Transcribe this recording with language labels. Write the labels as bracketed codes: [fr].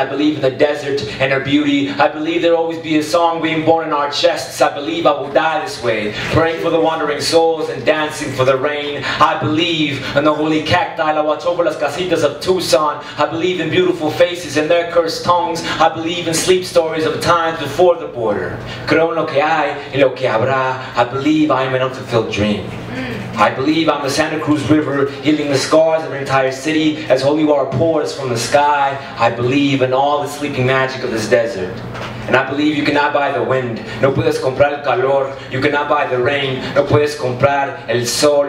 [en] I believe in the desert and her beauty. I believe there'll always be a song being born in our chests. I believe I will die this way, praying for the wandering souls and dancing for the rain. I believe in the holy cacti that watch over [es] las casitas [en] of Tucson. I believe in beautiful faces and their cursed tongues. I believe in sleep stories of times before the border. [es] Creo en lo que hay y lo que habrá. [en] I believe I am an unfulfilled dream. I believe I'm the Santa Cruz River, healing the scars of an entire city as holy water pours from the sky. I believe in all the sleeping magic of this desert. And I believe you cannot buy the wind. [es] No puedes comprar el calor. [en] You cannot buy the rain. [es] No puedes comprar el sol.